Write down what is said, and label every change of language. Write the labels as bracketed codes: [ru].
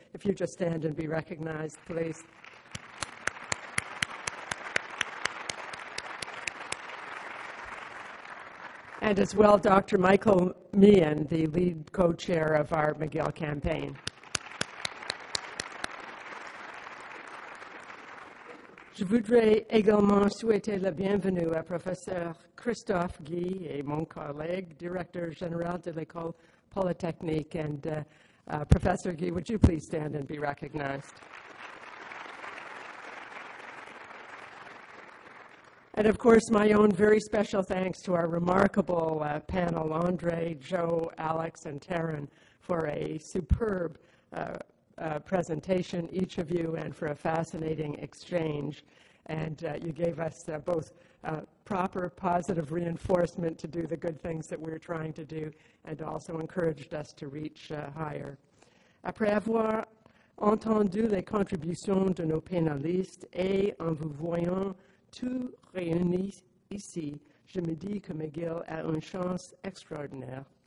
[en] If you just stand and be recognized, please. And as well, Dr. Michael Meehan, the lead co-chair of our McGill campaign. [fr] Je voudrais également souhaiter la bienvenue à Professeur Christophe Guy et mon collègue, Directeur Général de l'École Polytechnique. [en] And Professeur Guy, would you please stand and be recognized? And of course, my own very special thanks to our remarkable panel, Andre, Joe, Alex, and Taryn, for a superb presentation, each of you, and for a fascinating exchange. And you gave us both proper positive reinforcement to do the good things that we're trying to do and also encouraged us to reach higher. [fr] Après avoir entendu les contributions de nos panélistes et en vous voyant tous réunis ici, je me dis que McGill a une chance extraordinaire.